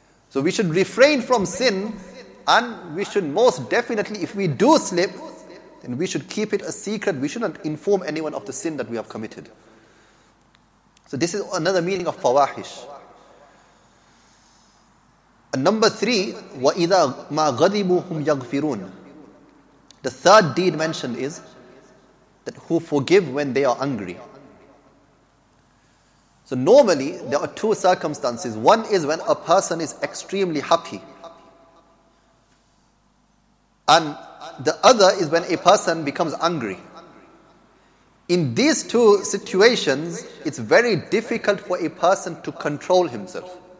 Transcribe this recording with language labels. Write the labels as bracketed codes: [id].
[en] So we should refrain from sin, and we should most definitely, if we do slip, then we should keep it a secret. We shouldn't inform anyone of the sin that we have committed. So this is another meaning of fawahish. And number three, [ar] وَإِذَا مَا غَضِبُهُمْ يَغْفِرُونَ. [en] The third deed mentioned is that who forgive when they are angry. So normally, there are two circumstances. One is when a person is extremely happy. And the other is when a person becomes angry. In these two situations, it's very difficult for a person to control himself.